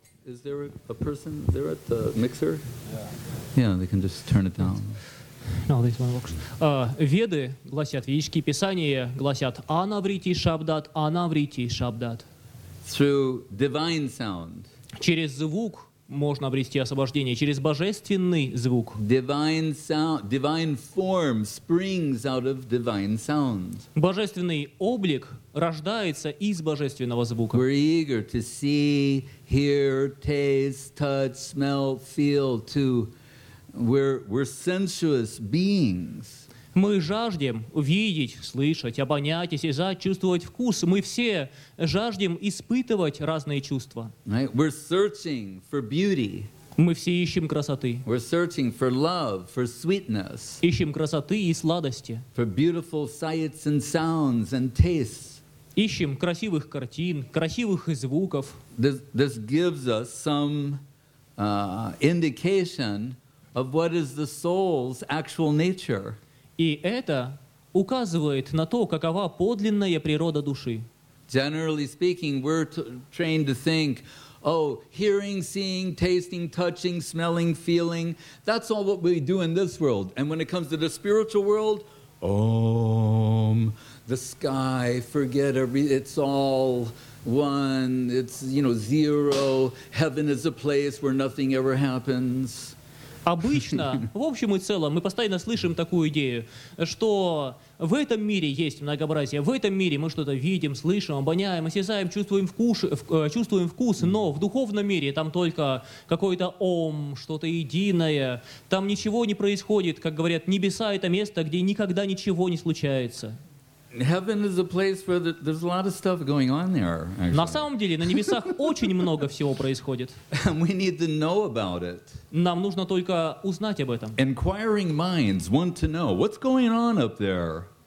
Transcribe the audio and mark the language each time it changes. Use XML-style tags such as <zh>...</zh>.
<en>Is there a person there at the mixer? Yeah. Yeah, they can just turn it down. No, this one works.</en> <ru>Веды гласят, ведические писания гласят,</ru> <sa>анавритти шабдат, анавритти шабдат.</sa> <en>Through divine sound.</en> <ru>Через звук можно обрести освобождение, через божественный звук.</ru> <en>Divine sound, divine form springs out of divine sound.</en> <ru>Божественный облик рождается из божественного звука.</ru> <en>We're eager to see, hear, taste, touch, smell, feel, to... We're sensuous beings.</en> <ru>Мы жаждем видеть, слышать, обонять, осязать, чувствовать вкус. Мы все жаждем испытывать разные чувства.</ru> <en>Right? We're searching for beauty.</en> <ru>Мы все ищем красоты.</ru> <en>We're searching for love, for sweetness.</en> <ru>Ищем красоты и сладости.</ru> <en>For beautiful sights and sounds and tastes.</en> <ru>Ищем красивых картин, красивых звуков.</ru> <en>This gives us some indication of what is the soul's actual nature.</en> <ru>И это указывает на то, какова подлинная природа души.</ru> <en>Generally speaking, we're trained to think, oh, hearing, seeing, tasting, touching, smelling, feeling, that's all what we do in this world. And when it comes to the spiritual world, om, the sky, forget everything, it's all one, it's, you know, zero, heaven is a place where nothing ever happens.</en> <ru>Обычно, в общем и целом, мы постоянно слышим такую идею, что в этом мире есть многообразие, в этом мире мы что-то видим, слышим, обоняем, осязаем, чувствуем вкус, но в духовном мире там только какой-то ом, что-то единое, там ничего не происходит, как говорят, небеса — это место, где никогда ничего не случается.</ru> <en>Heaven is a place where there's a lot of stuff going on there. Actually.</en> <ru>На самом деле, на небесах очень много всего происходит.</ru> <en>We need to know about it.</en> <ru>Нам нужно только узнать об этом.</ru> <en>Inquiring minds want to know what's going on up there.</en>